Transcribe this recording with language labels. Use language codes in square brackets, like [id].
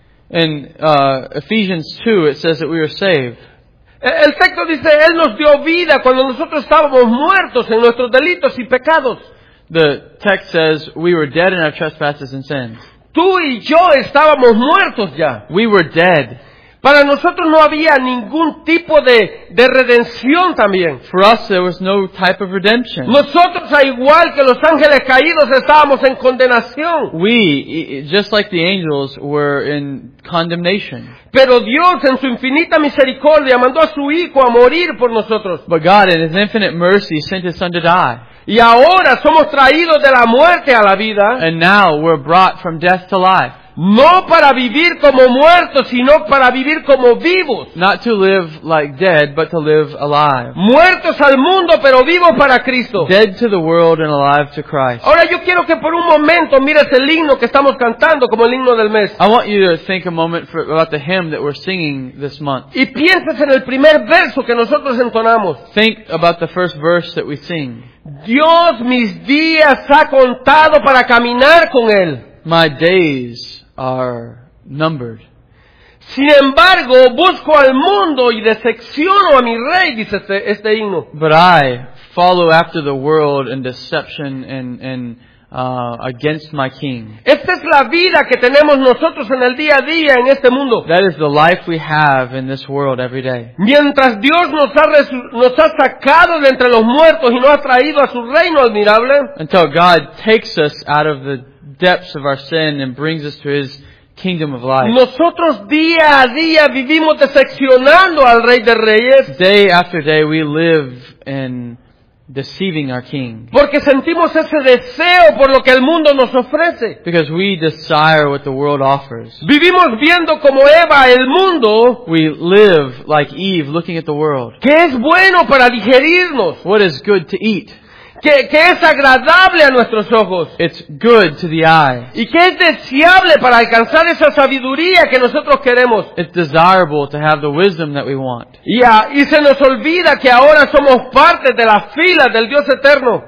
[en] In Ephesians 2, it says that we are saved. [es] El texto dice, Él nos dio vida cuando nosotros estábamos muertos en nuestros delitos y pecados. [en] The text says, we were dead in our trespasses and sins. [es] Tú y yo estábamos muertos ya. [en] We were dead. [es] Para nosotros no había ningún tipo de redención también. [en] For us there was no type of redemption. [es] Nosotros, al igual que los ángeles caídos, estábamos en condenación. [en] We, just like the angels, were in condemnation. [es] Pero Dios en su infinita misericordia mandó a su Hijo a morir por nosotros. [en] But God in His infinite mercy sent His Son to die. [es] Y ahora somos traídos de la muerte a la vida. [en] And now we're brought from death to life. [es] No para vivir como muertos, sino para vivir como vivos. [en] Not to live like dead, but to live alive. [es] Muertos al mundo, pero vivos para Cristo. [en] Dead to the world and alive to Christ. [es] Ahora yo quiero que por un momento mires el himno que estamos cantando como el himno del mes. [en] I want you to think a moment about the hymn that we're singing this month. [es] Y pienses en el primer verso que nosotros entonamos. [en] Think about the first verse that we sing. [es] Dios mis días ha contado para caminar con Él. [en] My days are numbered. [es] Sin embargo, busco al mundo y decepciono a mi rey, dice este himno. [en] But I follow after the world in deception and against my king. [es] Esta es la vida que tenemos nosotros en el día a día en este mundo. [en] That is the life we have in this world every day. [es] Mientras Dios nos ha sacado de entre los muertos y nos ha traído a su reino admirable. [en] Until God takes us out of the depths of our sin and brings us to His kingdom of life. [es] Nosotros día a día vivimos decepcionando al Rey de Reyes. [en] Day after day we live in deceiving our King. [es] Porque sentimos ese deseo por lo que el mundo nos ofrece. [en] Because we desire what the world offers. [es] Vivimos viendo como Eva el mundo. [en] We live like Eve, looking at the world. [es] ¿Qué es bueno para digerirnos? [en] What is good to eat? [es] que es agradable a nuestros ojos. [en] It's good to the eye. [es] Y que es deseable para alcanzar esa sabiduría que nosotros queremos. [en] It's desirable to have the wisdom that we want. [es] Y se nos olvida que ahora somos parte de la fila del Dios eterno.